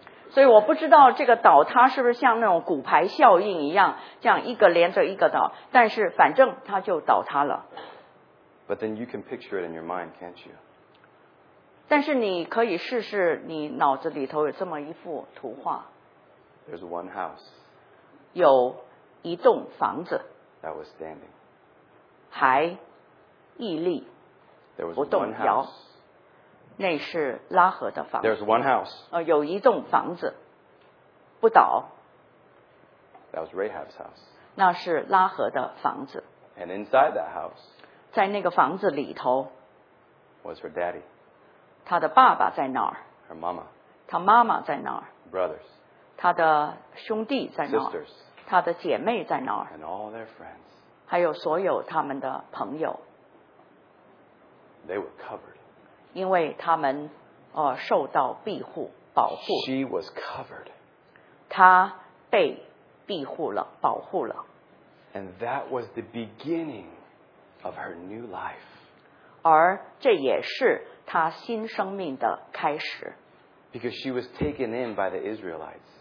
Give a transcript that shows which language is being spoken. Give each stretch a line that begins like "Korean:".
Chinese: 所以我不知道这个倒塌是不是像那种骨牌效应一样这样一个连着一个倒但是反正它就倒塌了。
English: But then you can picture it in your mind, can't you?
Chinese: 但是你可以试试你脑子里头有这么一幅图画。
English: There's one house.
Chinese: 有一栋房子。
English: That was standing.
Chinese: 还屹立。
English: There was one house.
Chinese: 那是拉合的房子。
English: There's one house.
Chinese: 有一栋房子。不倒。
English: That was Rahab's house.
Chinese: 那是拉合的房子。
English: And inside that house.
Chinese: 在那个房子里头。
English: Was her daddy.
Chinese: 她的爸爸在哪儿。
English: Her mama.
Chinese: 她妈妈在哪儿。
English: Brothers.
Chinese: 他的兄弟在哪儿？他的姐妹在哪儿？
English: And all their friends.
Chinese: 还有所有他们的朋友。
English: They were covered.
Chinese: 因为他们受到庇护保护。
English: She was covered.
Chinese: 他被庇护了，保护了。
English: And that was the beginning of her new life.
Chinese: 而这也是他新生命的开始。
English: Because she was taken in by the Israelites.